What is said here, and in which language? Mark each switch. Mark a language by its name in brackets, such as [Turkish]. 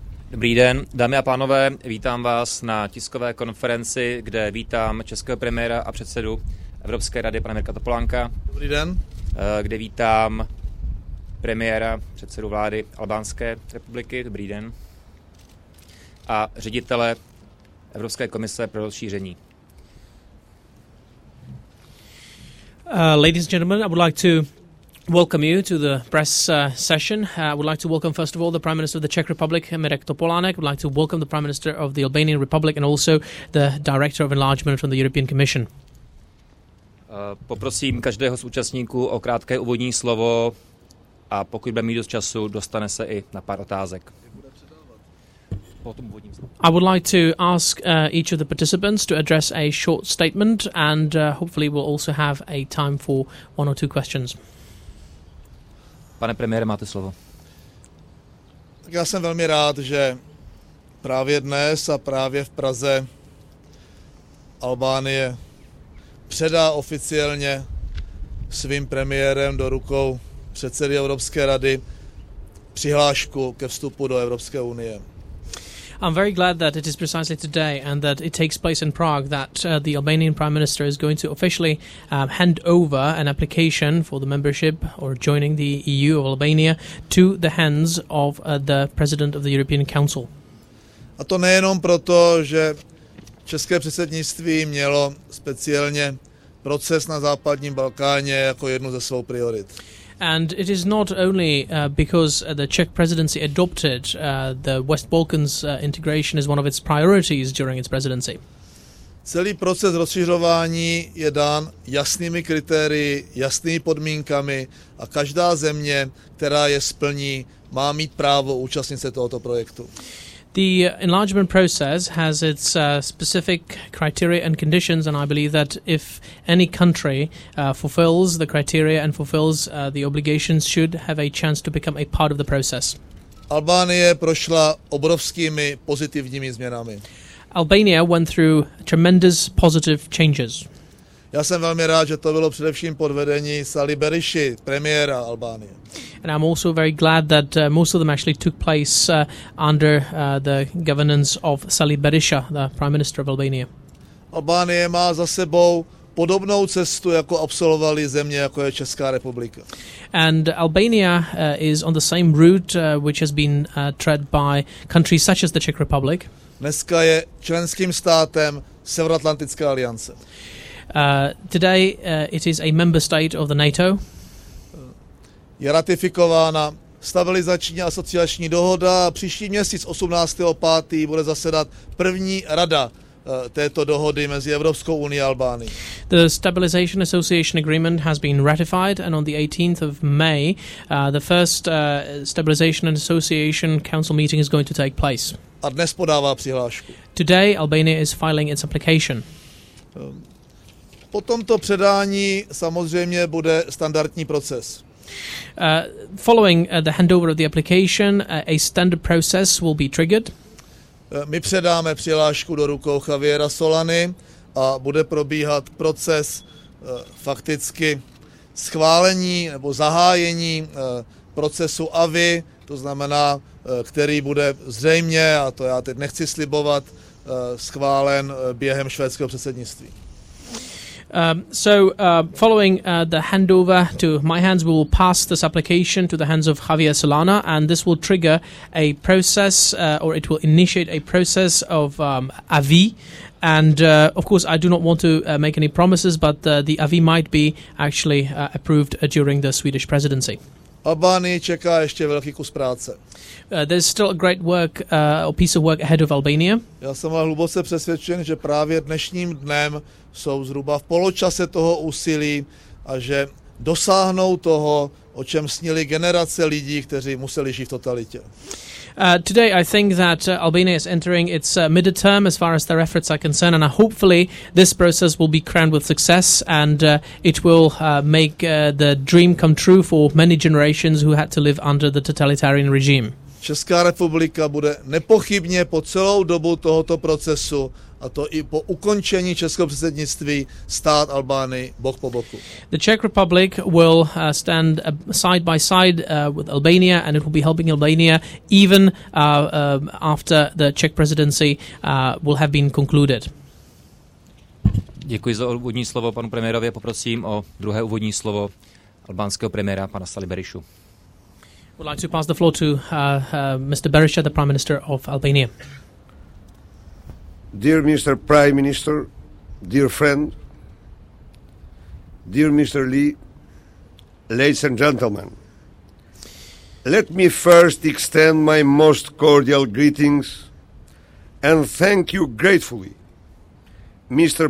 [Czech] Dobrý den, dámy a pánové, vítám vás na tiskové konferenci, kde vítám českého premiéra a předsedu Evropské rady, pana Mirka Topolánka. Dobrý den. Kde vítám premiéra, předsedu vlády Albánské republiky, dobrý den. A ředitele Evropské komise pro rozšíření. [English] Ladies and gentlemen, I would like to welcome you to the press session. I would like to welcome, first of all, the Prime Minister of the Czech Republic, Mirek Topolánek. I would like to welcome the Prime Minister of the Albanian Republic and also the Director of Enlargement from the European Commission. [Czech] Poprosím každého z účastníků o krátké úvodní slovo a pokud bude mít dost času, dostane se i na pár otázek. [English] I would like to ask each of the participants to address a short statement and hopefully we'll also have a time for one or two questions. [Czech] Pane premiére, máte slovo. Tak já jsem velmi rád, že právě dnes a právě v Praze Albánie předá oficiálně svým premiérem do rukou předsedy Evropské rady přihlášku ke vstupu do Evropské unie. [English] I'm very glad that it is precisely today and that it takes place in Prague that the Albanian Prime Minister is going to officially hand over an application for the membership or joining the EU of Albania to the hands of the President of the European Council. [Czech] A to nejenom proto, že české předsednictví mělo speciálně proces na západním Balkáně jako jednu ze svých priorit. [English] And it is not only because the Czech presidency adopted the West Balkans integration as one of its priorities during its presidency. [Czech] Celý proces rozšiřování je dán jasnými kritérii, jasnými podmínkami a každá země, která je splní, má mít právo účastnit se tohoto projektu. [English] The enlargement process has its specific criteria and conditions, and I believe that if any country fulfills the criteria and fulfills the obligations, should have a chance to become a part of the process. [Czech] Albánie prošla obrovskými pozitivními změnami. [English] Albania went through tremendous positive changes. [Czech] Já jsem velmi rád, že to bylo především pod vedení Sali Berishi, premiéra Albánie. [English] And I'm also very glad that most of them actually took place under the governance of Sali Berisha, the Prime Minister of Albania. [Czech] Albánie má za sebou podobnou cestu, jako absolvovali země, jako je Česká republika. [English] And Albania is on the same route which has been tread by countries such as the Czech Republic. [Czech] Dneska je členským státem Severoatlantické aliance. [English] Today it is a member state of the NATO. [Czech] Je ratifikována stabilizační asociační dohoda a příští měsíc 18.5. bude zasedat první rada této dohody mezi Evropskou unií a Albánií. [English] The stabilization association agreement has been ratified and on the 18th of May the first stabilization and association council meeting is going to take place. [Czech] A dnes podává přihlášku. [English] Today Albania is filing its application. [Czech] Po tomto předání samozřejmě bude standardní proces. [English] Following the handover of the application, a standard process will be triggered. [Czech] My předáme přihlášku do rukou Javiera Solany a bude probíhat proces fakticky schválení nebo zahájení procesu AVI, to znamená, který bude zřejmě, a to já teď nechci slibovat, schválen během švédského předsednictví. [English] Following the handover to my hands, we will pass this application to the hands of Javier Solana, and this will trigger a process, or it will initiate a process of AVI. And of course, I do not want to make any promises, but the AVI might be actually approved during the Swedish presidency. [Czech] Albánii čeká ještě velký kus práce. [English] There's still a great work, a piece of work ahead of Albania. [Czech] Já jsem hluboce přesvědčen, že právě dnešním dnem jsou zhruba v poločase toho úsilí a že dosáhnou toho, o čem snili generace lidí, kteří museli žít v totalitě. [English] Today I think that Albania is entering its midterm as far as their efforts are concerned, and hopefully this process will be crowned with success and it will make the dream come true for many generations who had to live under the totalitarian regime. [Czech] Česká republika bude nepochybně po celou dobu tohoto procesu, a to i po ukončení českého předsednictví, stát Albánii bok po boku. [English] The Czech Republic will stand side by side with Albania, and it will be helping Albania even after the Czech presidency will have been concluded. [Czech] Děkuji za úvodní slovo panu premiérovi, poprosím o druhé úvodní slovo albánského premiéra pana Sali Berishu. [English] Would like to pass the floor to Mr. Berisha, the Prime Minister of Albania. Dear Mr. Prime Minister, dear friend, dear Mr. Lee, ladies and gentlemen, let me first extend my most cordial greetings and thank you gratefully, Mr.